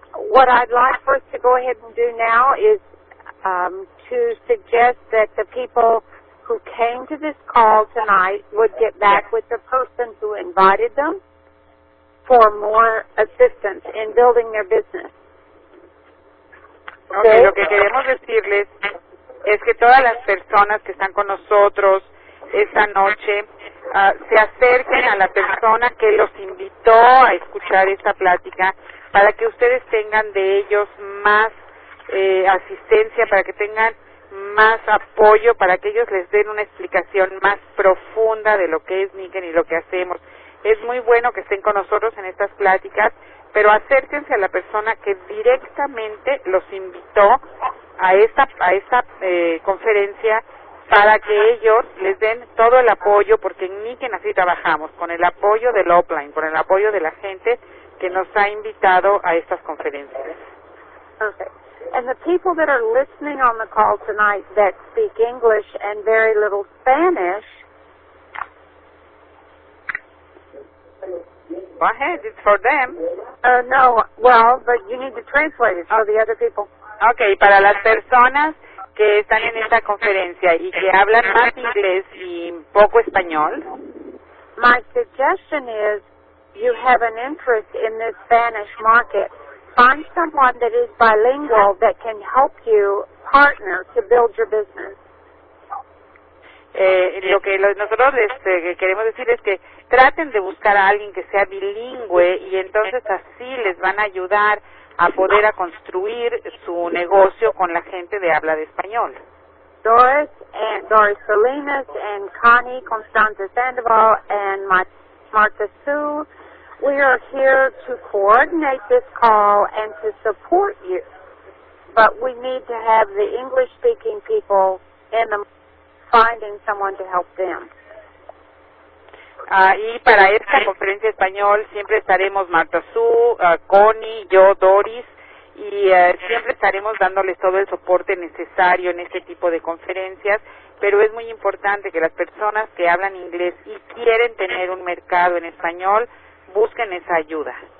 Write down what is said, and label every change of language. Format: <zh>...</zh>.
<en>What I'd like for us to go ahead and do now is to suggest that the people who came to this call tonight would get back with the person who invited them for more assistance in building their business.</en> <es>Okay, lo que queremos decirles es que todas las personas que están con nosotros esta noche se acerquen a la persona que los invitó a escuchar esta plática para que ustedes tengan de ellos más asistencia, para que tengan más apoyo, para que ellos les den una explicación más profunda de lo que es Niken y lo que hacemos. Es muy bueno que estén con nosotros en estas pláticas, pero acérquense a la persona que directamente los invitó a esta conferencia para que ellos les den todo el apoyo, porque en Niken así trabajamos, con el apoyo del offline, con el apoyo de la gente que nos ha invitado a estas conferencias.</es> <en>Okay. And the people that are listening on the call tonight that speak English and very little Spanish. Go ahead, it's for them. But you need to translate it for the other people.</en> <es>Okay, para las personas que están en esta conferencia y que hablan más inglés y poco español.</es> <en>My suggestion is you have an interest in the Spanish market. Find someone that is bilingual that can help you partner to build your business.</en> <es>Lo que nosotros queremos decir es que traten de buscar a alguien que sea bilingüe y entonces así les van a ayudar a poder a construir su negocio con la gente de habla de español.</es> <en>Doris Salinas and Connie Constanza Sandoval and Marta Sue, we are here to coordinate this call and to support you. But we need to have the English speaking people in the finding someone to help them.</en> <es>Y para esta conferencia español siempre estaremos Marta Sue, Connie, yo, Doris, y siempre estaremos dándoles todo el soporte necesario en este tipo de conferencias, pero es muy importante que las personas que hablan inglés y quieren tener un mercado en español busquen esa ayuda.</es>